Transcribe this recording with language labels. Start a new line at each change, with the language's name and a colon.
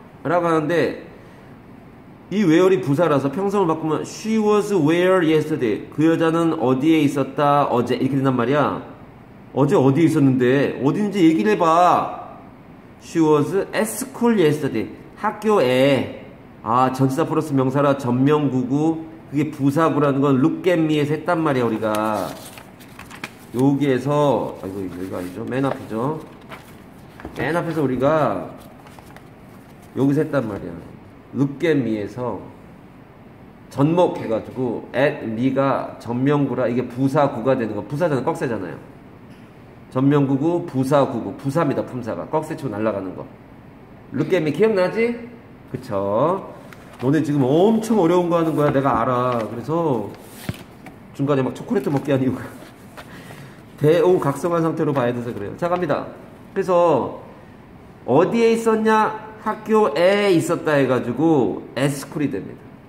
Korean: 라고 하는데 이 where이 부사라서 평소를 바꾸면
English: she was where yesterday.
Korean: 그 여자는 어디에 있었다 어제 이렇게 된단 말이야. 어제 어디에 있었는데 어딘지 얘기를 해봐.
English: she was at school yesterday.
Korean: 학교에. 아, 전치사 플러스 명사라 전명구고 그게 부사구라는 건
English: look at me
Korean: 에서 했단 말이야. 우리가 여기에서, 아이고 여기가 아니죠, 맨 앞이죠. 맨 앞에서 우리가 여기서 했단 말이야.
English: Look at me
Korean: 에서 전목해가지고 at me가 전명구라. 이게 부사구가 되는 거. 부사잖아, 꺽쇠잖아요. 전명구고 부사구고. 부사입니다, 품사가. 꺽쇠 치고 날아가는 거.
English: Look at me
Korean: 기억나지? 그쵸. 너네 지금 엄청 어려운 거 하는 거야. 내가 알아. 그래서 중간에 막 초콜릿 먹게 한 이유가 대오 각성한 상태로 봐야 돼서 그래요. 자, 갑니다. 그래서 어디에 있었냐? 학교에 있었다 해가지고 에스쿨이 됩니다.